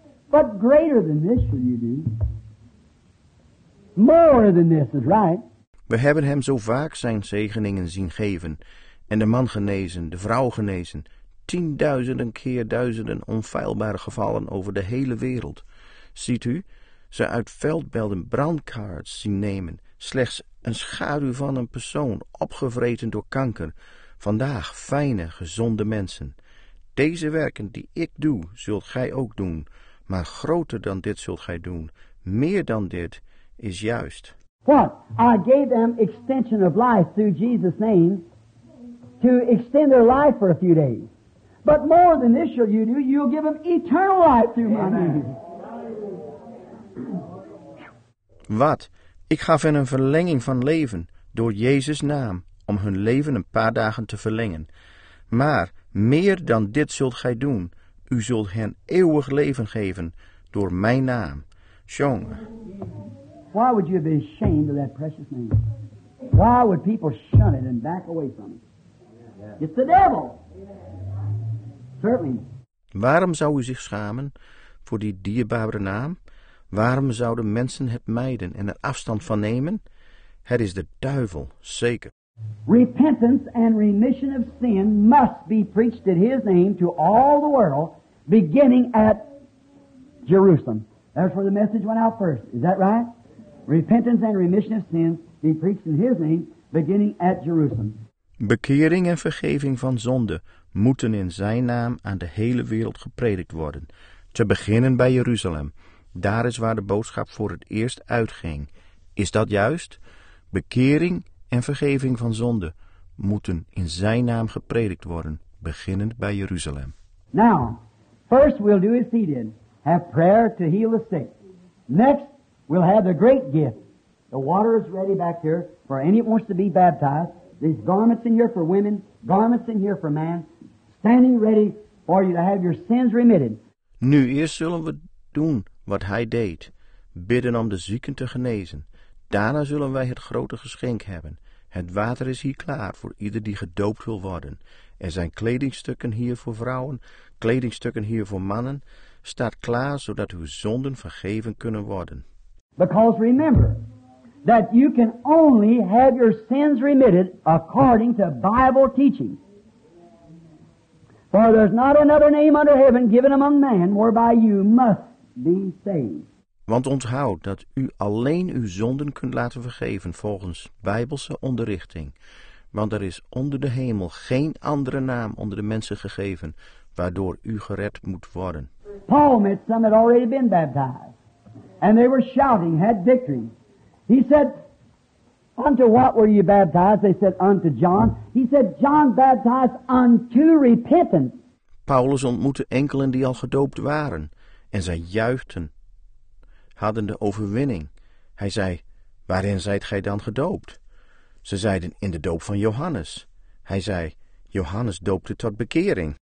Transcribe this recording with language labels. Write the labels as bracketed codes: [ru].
[en] But greater than this shall you do. More than this is right. [nl] We hebben hem zo vaak zijn zegeningen zien geven. En de man genezen, de vrouw genezen. Tienduizenden keer duizenden onfeilbare gevallen over de hele wereld. Ziet u, ze uit veldbelden brandkaarts zien nemen. Slechts een schaduw van een persoon opgevreten door kanker. Vandaag fijne, gezonde mensen. Deze werken die ik doe, zult gij ook doen. Maar groter dan dit zult gij doen. Meer dan dit is juist. [en] What? I gave them extension of life through Jesus' name to extend their life for a few days. But more than this shall you do, you'll give them eternal life through my name. [nl] Wat? Ik gaf hen een verlenging van leven door Jezus' naam om hun leven een paar dagen te verlengen. Maar meer dan dit zult gij doen. U zult hen eeuwig leven geven door mijn naam. Jonge. [en] Why would you be ashamed of that precious name? Why would people shun it and back away from it? It's the devil. Certainly. [nl] Waarom zou u zich schamen voor die dierbare naam? Waarom zouden mensen het mijden en er afstand van nemen? Het is de duivel, zeker. [en] Repentance and remission of sin must be preached in his name to all the world, beginning at Jerusalem. That's where the message went out first. Is that right? Repentance and remission of sin be preached in his name, beginning at Jerusalem. [nl] Bekering en vergeving van zonde moeten in zijn naam aan de hele wereld gepredikt worden, te beginnen bij Jeruzalem. Daar is waar de boodschap voor het eerst uitging. Is dat juist? Bekering en vergeving van zonde moeten in zijn naam gepredikt worden, beginnend bij Jeruzalem. [en] Now, first we'll do as he did. Have prayer to heal the sick. Next, we'll have the great gift. The water is ready back here for any that wants to be baptized. These garments in here for women, garments in here for man, standing ready for you to have your sins remitted. [nl] Nu, eerst zullen we doen wat hij deed, bidden om de zieken te genezen. Daarna zullen wij het grote geschenk hebben. Het water is hier klaar voor ieder die gedoopt wil worden. Er zijn kledingstukken hier voor vrouwen, kledingstukken hier voor mannen. Staat klaar zodat uw zonden vergeven kunnen worden. [en] Because remember that you can only have your sins remitted according to Bible teaching. For there's not another name under heaven given among man whereby you must be saved. [nl] Want onthoud dat u alleen uw zonden kunt laten vergeven volgens Bijbelse onderrichting. Want er is onder de hemel geen andere naam onder de mensen gegeven waardoor u gered moet worden. [en] Paul met some had already been baptized. And they were shouting, had victory. He said, unto what were you baptized? They said, unto John. He said, John baptized unto repentance. [nl] Paulus ontmoette enkelen die al gedoopt waren. En zij juichten, hadden de overwinning. Hij zei, waarin zijt gij dan gedoopt? Ze zeiden, in de doop van Johannes. Hij zei, Johannes doopte tot bekering.